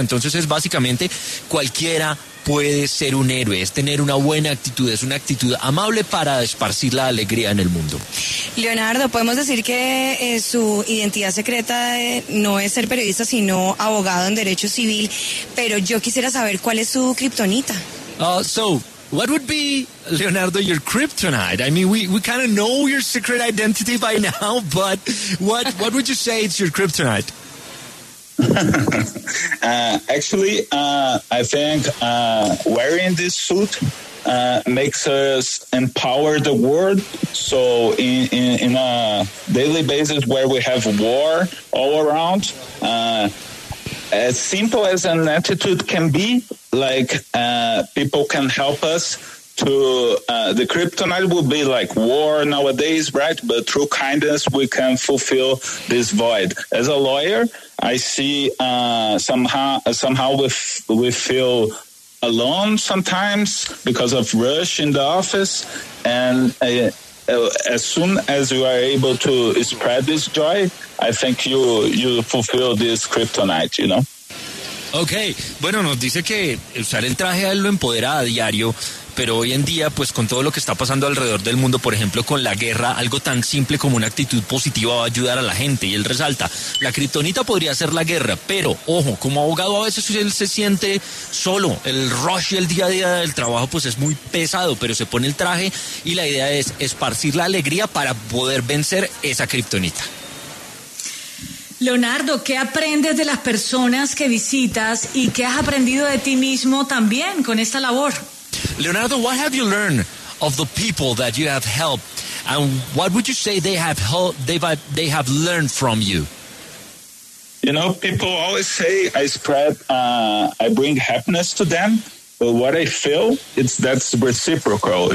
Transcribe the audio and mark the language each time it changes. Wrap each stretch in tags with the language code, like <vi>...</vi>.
<es>Entonces es básicamente cualquiera puede ser un héroe, es tener una buena actitud, es una actitud amable para esparcir la alegría en el mundo. Leonardo, podemos decir que su identidad secreta no es ser periodista, sino abogado en derecho civil, pero yo quisiera saber cuál es su kriptonita.</es> <en>What would be, Leonardo, your kryptonite? I mean, we kind of know your secret identity by now, but what would you say it's your kryptonite? I think wearing this suit makes us empower the world. So in a daily basis where we have war all around, as simple as an attitude can be, like people can help us to the kryptonite would be like war nowadays, right? But through kindness we can fulfill this void. As a lawyer, I see somehow we feel alone sometimes because of rush in the office, and as soon as you are able to spread this joy, I think you fulfill this kryptonite, you know.</en> <es>Okay, bueno, nos dice que usar el traje a él lo empodera a diario, pero hoy en día, pues con todo lo que está pasando alrededor del mundo, por ejemplo, con la guerra, algo tan simple como una actitud positiva va a ayudar a la gente. Y él resalta, la kriptonita podría ser la guerra, pero, ojo, como abogado a veces él se siente solo. El rush y el día a día del trabajo, pues es muy pesado, pero se pone el traje y la idea es esparcir la alegría para poder vencer esa kriptonita. Leonardo, ¿qué aprendes de las personas que visitas y qué has aprendido de ti mismo también con esta labor?</es> <en>Leonardo, what have you learned of the people that you have helped, and what would you say they have learned from you? You know, people always say I bring happiness to them, but what I feel it's that's reciprocal.</en>